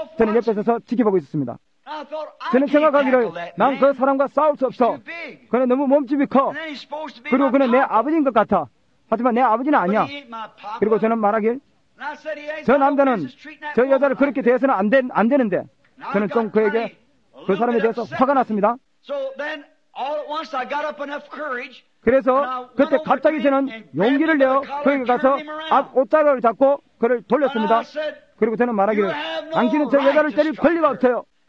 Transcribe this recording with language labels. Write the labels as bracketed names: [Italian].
[Korean] 저는 옆에 서서 지켜보고 있었습니다. 저는 생각하기를 난 그 사람과 싸울 수 없어. 그는 너무 몸집이 커. 그리고 그는 내 아버지인 것 같아. 하지만 내 아버지는 아니야. 그리고 저는 말하길 저 남자는 저 여자를 그렇게 대해서는 안 되는데 저는 좀 그에게 그 사람에 대해서 화가 났습니다. [English] all at once I got up enough courage. [Korean] 그래서 그때 갑자기 저는 용기를 내어 그에게 가서 앞 옷자락을 잡고 그를 돌렸습니다. 그리고 저는 말하기를 당신은 저 여자를 때릴 권리가 없어요.